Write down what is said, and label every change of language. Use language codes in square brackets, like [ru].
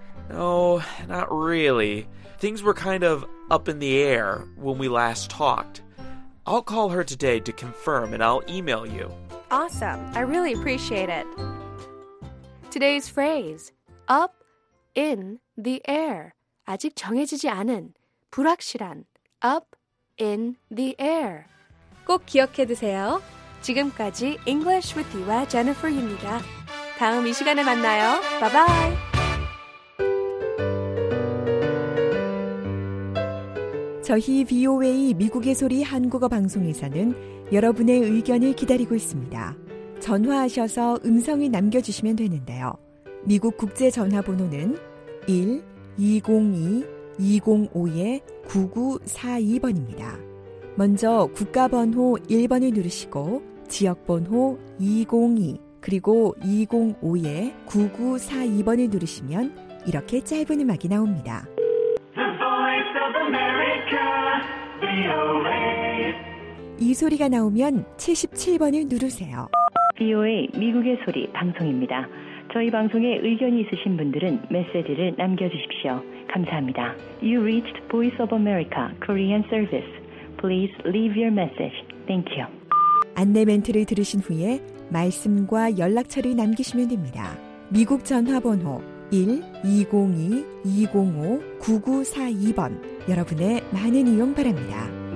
[en] No, not really. Things were kind of up in the air when we last talked. I'll call her today to confirm and I'll email you. Awesome. I really appreciate it. Today's phrase, up in the air. [ko] 아직 정해지지 않은, 불확실한, [en] up in the air. [ko] 꼭 기억해 두세요. 지금까지 English with you와 Jennifer입니다. 다음 이 시간에 만나요. [en] Bye-bye. [ko] 저희 VOA 미국의 소리 한국어 방송에서는 여러분의 의견을 기다리고 있습니다. 전화하셔서 음성을 남겨주시면 되는데요. 미국 국제전화번호는 1-202-205-9942번입니다. 먼저 국가번호 1번을 누르시고 지역번호 202 그리고 205-9942번을 누르시면 이렇게 짧은 음악이 나옵니다. [en] The Voice of America, VOA. [ko] 이 소리가 나오면 77번을 누르세요. VOA 미국의 소리 방송입니다. 저희 방송에 의견이 있으신 분들은 메시지를 남겨주십시오. 감사합니다. [en] You reached Voice of America Korean Service. Please leave your message. Thank you. [ko] 안내 멘트를 들으신 후에 말씀과 연락처를 남기시면 됩니다. 미국 전화번호 1-202-205-9942번 여러분의 많은 이용 바랍니다.